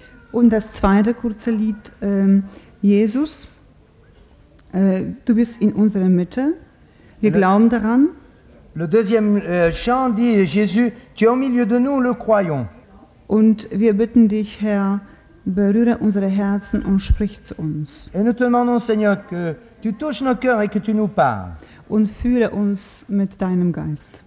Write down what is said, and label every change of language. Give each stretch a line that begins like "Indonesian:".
German: Und das zweite kurze Lied, Jesus, du bist in unserer Mitte, wir glauben daran.
French: Le deuxième chant dit, Jésus, tu es au milieu de nous, le croyons.
German: Und wir bitten dich, Herr, berühre unsere Herzen und sprich zu uns.
French: Et nous te demandons, Seigneur, que tu touches nos cœurs et que tu nous parles.
German: Und führe uns mit deinem Geist.